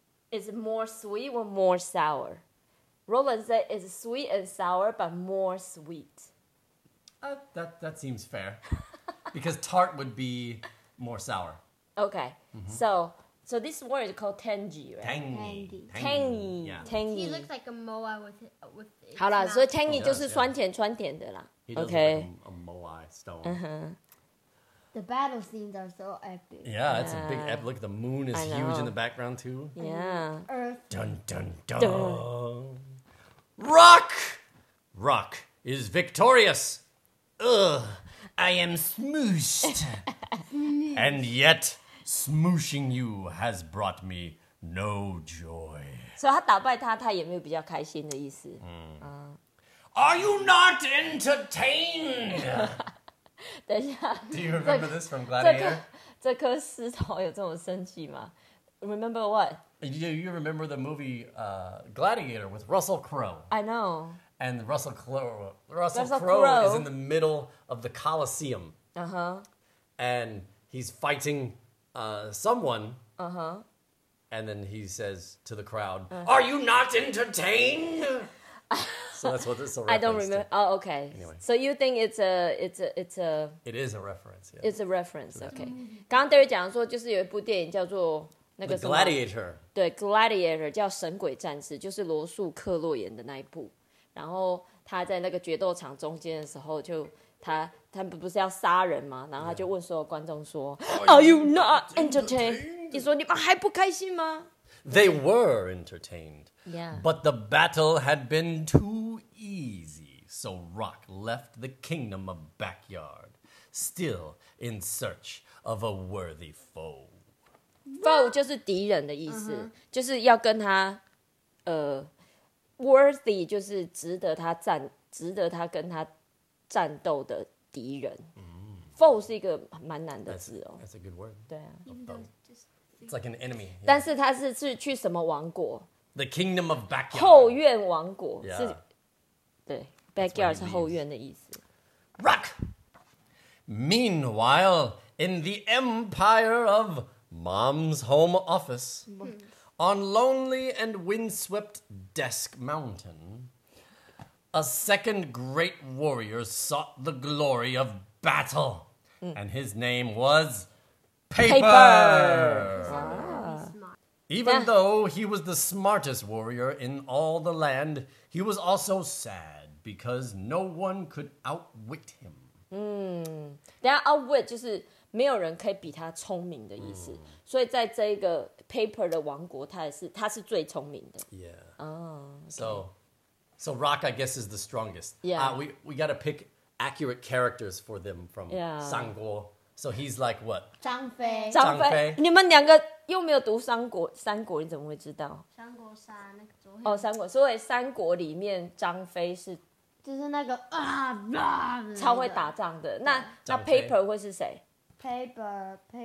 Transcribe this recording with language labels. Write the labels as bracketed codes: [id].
[en] Is it more sweet or more sour? Roland said it's sweet and sour, but more sweet. That seems fair, because tart would be more sour. Okay,、mm-hmm. so this word is called tangy, right? Tangy. Tangy. Yeah. Tangy. He looks like a moa with. [zh] 好了，所以 tangy 就是酸甜酸甜的啦。 [en] He okay. Like a Moai stone.、 Uh-huh. The battle scenes are so epic. Yeah, it's a big epic. Look, the moon is huge in the background, too. Yeah. Earth. Dun, dun, dun. Dun. Rock! Rock is victorious. Ugh, I am smooshed. And yet, smooshing you has brought me no joy. [zh] So, 他打败他，他也没有比较开心的意思。嗯、mm. [en] Are you not entertained? [zh] 等一下 [en] Do you remember this from Gladiator? [zh] 这颗石头有这么生气吗 [en] Remember what? You remember the movie、Gladiator with Russell Crowe. I know. And Russell Crowe is in the middle of the Colosseum. Uh-huh. And he's fighting、someone. Uh-huh. And then he says to the crowd,、uh-huh. Are you not entertained? So that's what this is a reference I don't remember. To. Oh, okay. Anyway. So you think it's a... It is a reference, yeah. It's a reference, okay. [zh] 刚刚 Derry 讲说就是有一部电影叫做那个什么 [en] The Gladiator. [zh] 对 ,Gladiator, 叫神鬼战士就是罗素克洛演的那一部。然后他在那个决斗场中间的时候就他不是要杀人吗然后他就问所有观众说 [en] Are you not entertained? [zh] 你说你们还不开心吗 [en] They were entertained. Yeah. But the battle had been too easy, so Rock left the kingdom of Backyard, still in search of a worthy foe. [zh] Foe 就是敌人的意思、uh-huh. 就是要跟他worthy 就是值得他跟他战斗的敌人、mm. Foe 是一个蛮难的字哦 [en] that's a good word. [zh] 对啊 [en] It's like an enemy.、Yeah. [zh] 但是他是去什么王国 [en] The kingdom of backyard. [zh] 后院王国、 [en] yeah. [zh] 是，对 ，backyard 是后院的意思。 [en] Rock. Meanwhile, in the empire of Mom's home office, on lonely and windswept Desk Mountain, a second great warrior sought the glory of battle, and his name was Paper. Even though he was the smartest warrior in all the land, he was also sad because no one could outwit him. [zh] 嗯，等一下 outwit 就是没有人可以比他聪明的意思。 Mm. 所以在这一个 paper 的王国，他是最聪明的。 [en] Yeah. Oh. So Rock, I guess, is the strongest. Yeah. We got to pick accurate characters for them from Sanguo. Yeah. So he's like what? [zh] 张飞。你们两个又没有读三国，你怎么会知道？三国杀那个左右。哦，三国，所以三国里面张飞是。就是那个啊啊，超会打仗的。那 paper 会是谁 [en] ？paper